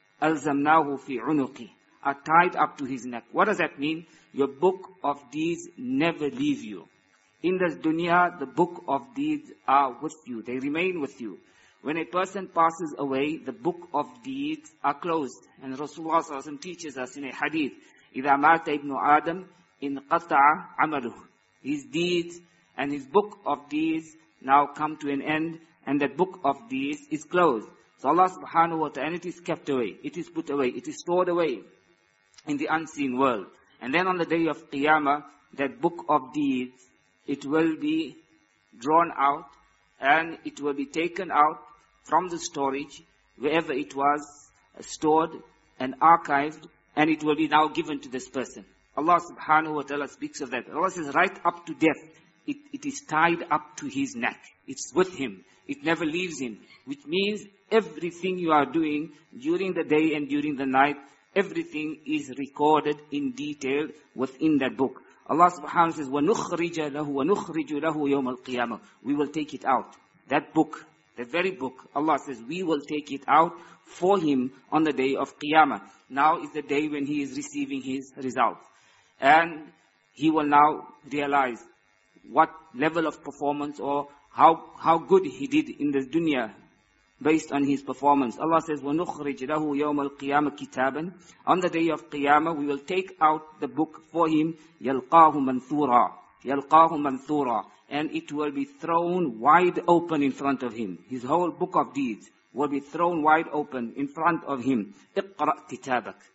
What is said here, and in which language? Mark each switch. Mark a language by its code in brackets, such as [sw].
[ar] Alzamnahu fi unuqi. [en] Are tied up to his neck. What does that mean? Your book of deeds never leave you. In this dunya, the book of deeds are with you. They remain with you. When a person passes away, the book of deeds are closed. And Rasulullah ﷺ teaches us in a hadith, [ar] إِذَا مَاتَ إِبْنُ آدَمْ إِنْ قَطَعَ عَمَلُهُ. [en] His deeds and his book of deeds now come to an end, and that book of deeds is closed. So Allah subhanahu wa ta'ala, and it is kept away, it is put away, it is stored away in the unseen world. And then on the day of Qiyamah, that book of deeds, it will be drawn out, and it will be taken out from the storage, wherever it was stored and archived, and it will be now given to this person. Allah subhanahu wa ta'ala speaks of that. Allah says, right up to death, it is tied up to his neck. It's with him. It never leaves him. Which means everything you are doing during the day and during the night, everything is recorded in detail within that book. Allah subhanahu wa ta'ala says, [ar] وَنُخْرِجَ لَهُ وَنُخْرِجُ لَهُ يَوْمَ الْقِيَامَةِ. [en] We will take it out. That book, the very book, Allah says, we will take it out for him on the day of Qiyamah. Now is the day when he is receiving his results. And he will now realize what level of performance or how good he did in the dunya based on his performance. Allah says, [ar] وَنُخْرِجْ لَهُ يَوْمَ الْقِيَامَةِ كِتَابًا. [en] On the day of Qiyamah, we will take out the book for him. [ar] يَلْقَاهُ مَنْثُورًا. يَلْقَاهُ مَنْثُورًا. [en] And it will be thrown wide open in front of him. His whole book of deeds will be thrown wide open in front of him. [ar] اقرأ كتابك.